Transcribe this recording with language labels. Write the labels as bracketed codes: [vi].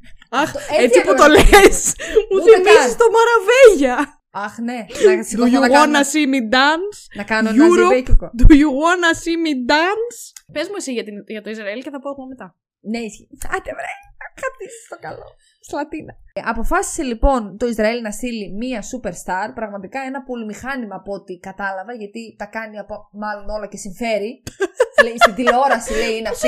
[el] Αχ, έτσι που το λες, μου θυμίζει το Μαραβέγια. Αχ, ναι. [en] Do you wanna see me dance? [el] Να κάνω ένα ζυμπέκικο. [en] Do you wanna see me dance? [el] Πες μου εσύ για το Ισραήλ και θα πω εγώ μετά. Ναι, ισχύει. Άντε βρε, κάτι στο καλό. Σλατίνα. Αποφάσισε λοιπόν το Ισραήλ να στείλει μία superstar. Πραγματικά ένα πολυμηχάνημα από ό,τι κατάλαβα. Γιατί τα κάνει από μάλλον όλα και συμφέρει. Λέει, στην τηλεόραση λέει είναι αυτή.